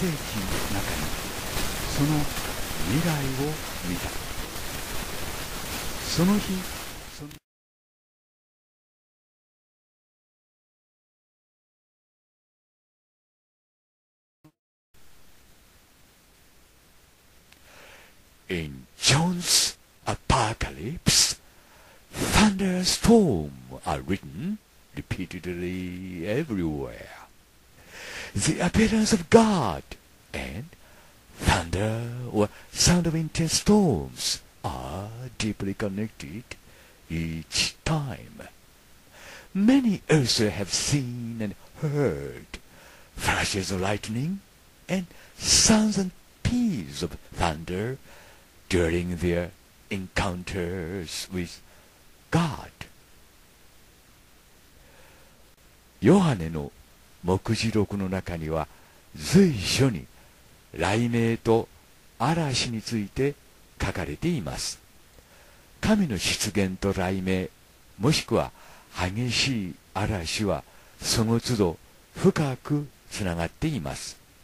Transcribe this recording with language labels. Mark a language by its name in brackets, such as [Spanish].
[Japanese] 奇跡の中に、その未来を見た。その日、 [English] In John's Apocalypse, thunderstorms are written repeatedly everywhere. The appearance of God and thunder or sound of intense storms are deeply connected each time. Many also have seen and heard flashes of lightning and sounds and peals of thunder. During their encounters with God. [Japanese] ヨハネの目次録の中には随所に雷鳴と嵐について書かれています。神の出現と雷鳴もしくは激しい嵐はその都度深くつながっています。